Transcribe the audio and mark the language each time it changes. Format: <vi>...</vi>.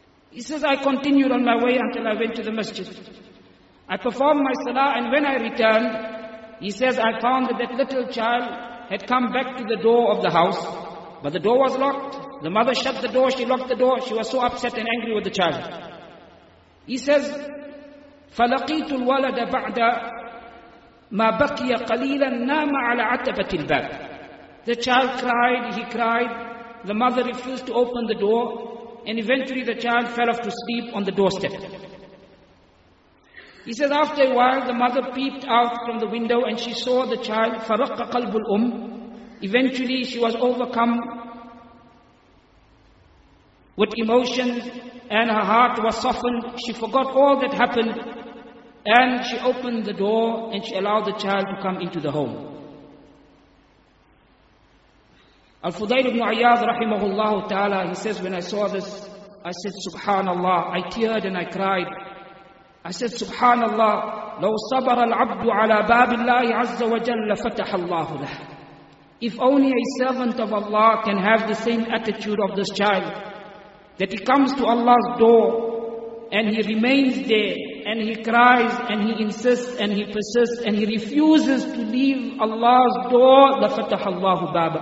<en>He says, I continued on my way until I went to the masjid. I performed my salah, and when I returned, he says, I found that little child had come back to the door of the house, but the door was locked. The mother shut the door, she locked the door, she was so upset and angry with the child. He says,</en> <ar>فَلَقِيتُ الْوَلَدَ بَعْدَ مَا بَقِيَ قَلِيلًا نَامَ عَلَىٰ عَتَبَةِ الْبَابِ.</ar> <en>The child cried, he cried, the mother refused to open the door, and eventually the child fell off to sleep on the doorstep. He says, after a while, the mother peeped out from the window and she saw the child.</en> <ar>فَرَقَّ قَلْبُ الْأُمْ.</ar> <en>Eventually, she was overcome with emotions, and her heart was softened. She forgot all that happened, and she opened the door and she allowed the child to come into the home. Al-Fudayl ibn Iyad rahimahullah ta'ala, he says, when I saw this, I said, Subhanallah, I teared and I cried. I said, Subhanallah,</en> <ar>لو صبر العبد على باب الله عز وجل فتح الله له.</ar> <en>If only a servant of Allah can have the same attitude of this child, that he comes to Allah's door and he remains there and he cries and he insists and he persists and he refuses to leave Allah's door,</en> <ar>لفتح الله باب.</ar>